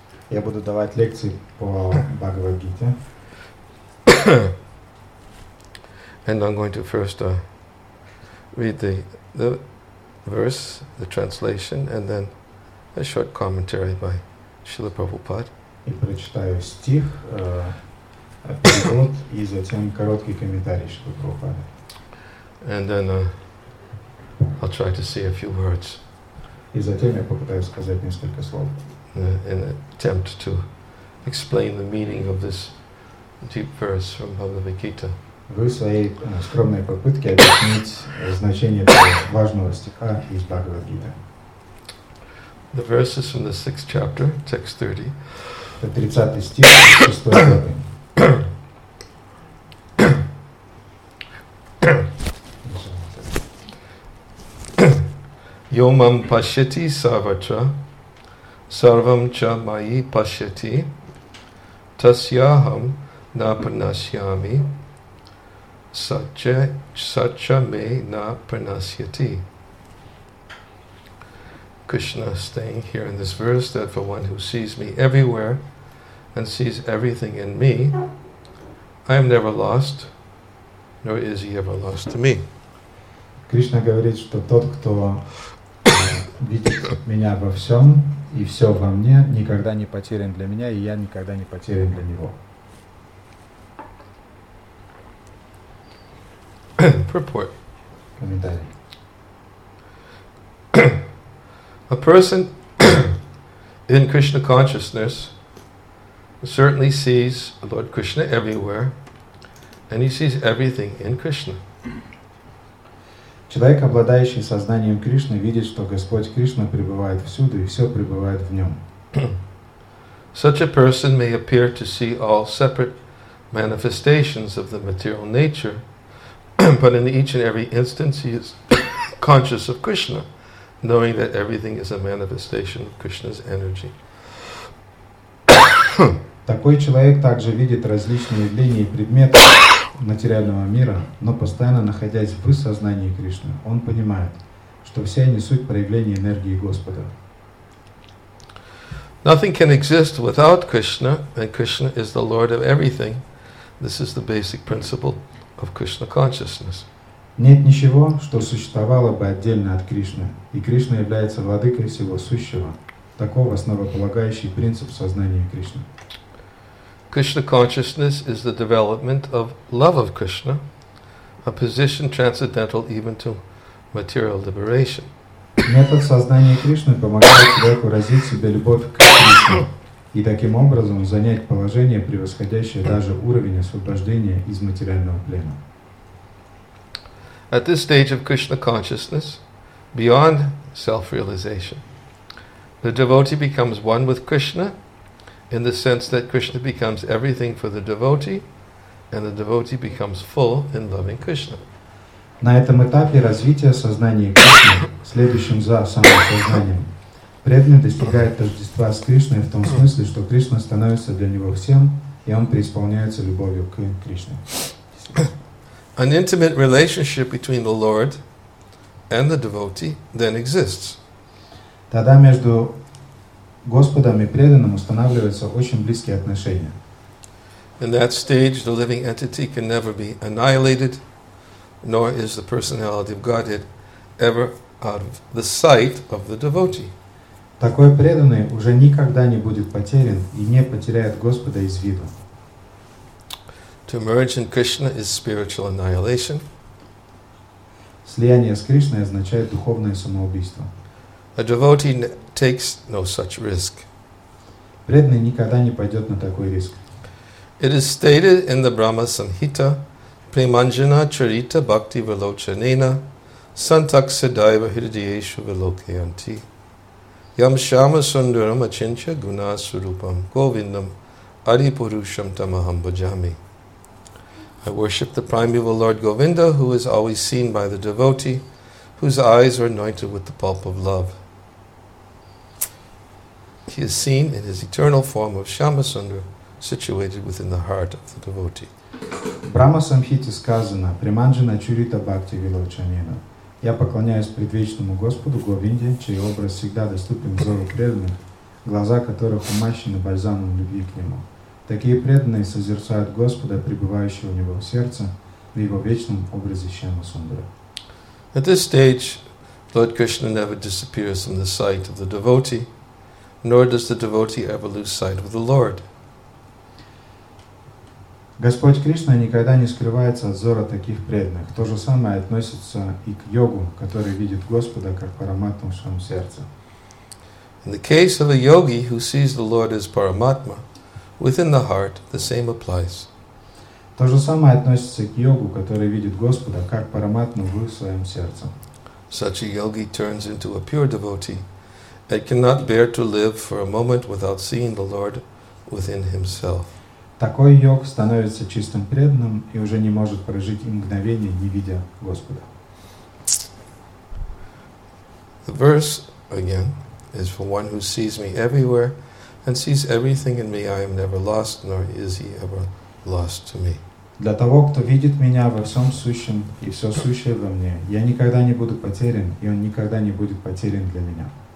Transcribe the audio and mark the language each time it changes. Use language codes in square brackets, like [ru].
[ru] Я буду давать лекции по Bhagavad Gita. [en] And I'm going to first read the verse, the translation, and then a short commentary by Srila Prabhupada. [ru] И прочитаю стих, перевод, и затем короткий комментарий Шрилы Прабхупады. [en] And then I'll try to say a few words. [ru] И затем я попытаюсь сказать несколько слов. [en] In an attempt to explain the meaning of this deep verse from Bhagavad Gita. [ru] Вы в своей скромной попытке объяснить значение этого важного стиха из Бхагавад Гиты. [en] The verse is from the 6th chapter, text 30. [ru] Это 30 стих, 6 главы. [sa] Йомам пашьяти саватра, сарвам ча майи пашьяти, тасьяхам напрнасьями, сача ме напрнасьяти. [en] Krishna is saying here in this verse that for one who sees me everywhere and sees everything in me, I am never lost, nor is he ever lost to me. [ru] Krishna говорит, что тот, кто видит меня во всем и все во мне, никогда не потерян для меня, и я никогда не потерян для него. [en] Purport. [ru] Комментарий. [en] A person in Krishna consciousness certainly sees Lord Krishna everywhere, and he sees everything in Krishna. [ru] Человек, обладающий сознанием Кришны, видит, что Господь Кришна пребывает всюду, и все пребывает в нем. [en] Such a person may appear to see all separate manifestations of the material nature, but in each and every instance he is conscious of Krishna, knowing that everything is a manifestation of Krishna's energy. [ru] Такой человек также видит различные явления и предметы материального мира, но постоянно находясь в сознании Кришны, он понимает, что все они суть проявления энергии Господа. [en] Nothing can exist without Krishna, and Krishna is the Lord of everything. This is the basic principle of Krishna consciousness. [ru] Нет ничего, что существовало бы отдельно от Кришны, и Кришна является владыкой всего сущего. Таков основополагающий принцип сознания Кришны. [en] Krishna consciousness is the development of love of Krishna, a position transcendental even to material liberation. [ru] Метод сознания Кришны помогает человеку развить в себе любовь к Кришне и таким образом занять положение, превосходящее даже уровень освобождения из материального плена. [en] At this stage of Krishna consciousness, beyond self-realization, the devotee becomes one with Krishna, in the sense that Krishna becomes everything for the devotee, and the devotee becomes full in loving Krishna. [ru] На этом этапе развития сознания Кришны, следующем за самосознанием, преданный достигает тождества с Кришной в том смысле, что Кришна становится для него всем, и он преисполняется любовью к Кришне. [en] An intimate relationship between the Lord and the devotee then exists. [ru] Тогда между Господом и преданным устанавливаются очень близкие отношения. [en] In that stage, the living entity can never be annihilated, nor is the personality of Godhead ever out of the sight of the devotee. [ru] Такой преданный уже никогда не будет потерян и не потеряет Господа из виду. [en] To merge in Krishna is spiritual annihilation. [ru] Слияние с Кришной означает духовное самоубийство. [en] A devotee takes no such risk. [ru] Преданный никогда не пойдет на такой риск. [en] It is stated in the Brahma Samhita, [sa] Premanjana Charita Bhakti Valochanena, Santaksadaiva Hridyeshu Valokayanti, Yam Shama Sundaram Achincha Guna Surupam Govindam Adipurusham Tamaham Bhajami. [en] I worship the primeval Lord Govinda, who is always seen by the devotee, whose eyes are anointed with the pulp of love. He is seen in his eternal form of Shyamasundara, situated within the heart of the devotee. [sa] Brahma Samhita [ru] сказано: [sa] Преманджана чурита бхакти вилочанена. [ru] Я поклоняюсь предвечному Господу Говинде, чей образ всегда доступен взору преданных, глаза которых умащены бальзамом любви к Нему. Такие преданные созерцают Господа, пребывающего у Него в сердце, в Его вечном образе Шьямасундара. [en] At this stage, Lord Krishna never disappears from the sight of the devotee, nor does the devotee ever lose sight of the Lord. [ru] Господь Кришна никогда не скрывается от взора таких преданных. То же самое относится и к йогу, который видит Господа как параматму в своем сердце. [en] In the case of a yogi who sees the Lord as paramatma, within the heart, the same applies. [ru] То же самое относится к йогу, который видит Господа как параматму в своем сердце. [en] Such a yogi turns into a pure devotee and cannot bear to live for a moment without seeing the Lord within himself. [ru] Такой йог становится чистым преданным и уже не может прожить и мгновение, не видя Господа. [en] The verse, again, is for one who sees me everywhere and sees everything in me, I am never lost, nor is he ever lost to me. [ru] Для того, кто видит меня во всем сущем и все сущее во мне, я никогда не буду потерян, и он никогда не будет потерян для меня.